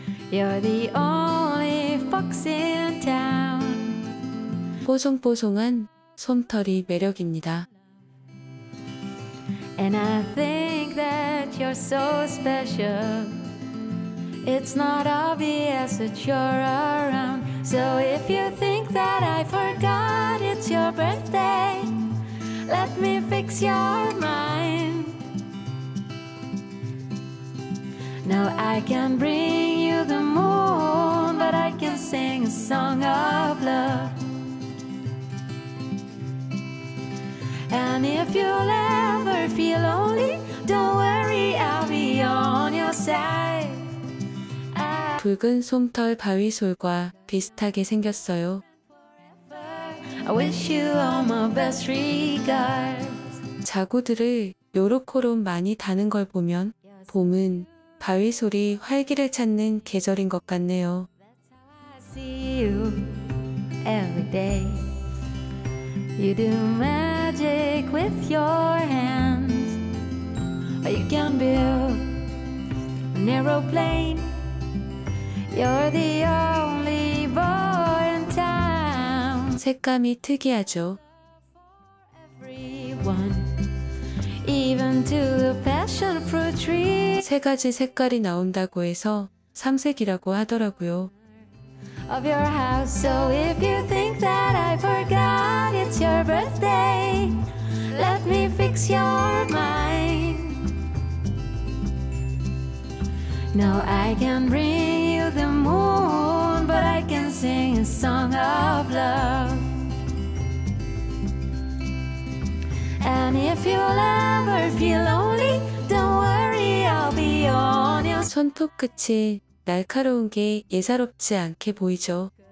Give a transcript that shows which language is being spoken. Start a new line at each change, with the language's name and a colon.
English: You're the only fox in town.
Korean: 뽀송뽀송한 솜털이 매력입니다.
English: And I think that you're so special. It's not obvious that you're around. So if you think that I forgot it's your birthday, let me fix your mind. Now I can bring you the moon, but I can sing a song of love. And if you'll ever feel lonely, don't worry, I'll be on your side.
Korean: 붉은 솜털 바위솔과 비슷하게 생겼어요.
English: I wish you all my best regards.
Korean: 자구들을 요로코롬 많이 다는 걸 보면 봄은 바위솔이 활기를 찾는 계절인 것 같네요.
English: That's how I see you every day. You do magic with your hands. You can build an aeroplane. You're the only boy in town.
Korean: 색감이 특이하죠.
English: Everyone, even to the passion fruit tree.
Korean: 세 가지 색깔이 나온다고 해서 삼색이라고 하더라고요.
English: Of your house, so if you think that I forgot it's your birthday, let me fix your mind. No, I can bring you the moon, but I can sing a song of love. And if you'll ever feel lonely, don't worry, I'll be on your
Korean: 손톱 끝이 날카로운 게 예사롭지 않게 보이죠.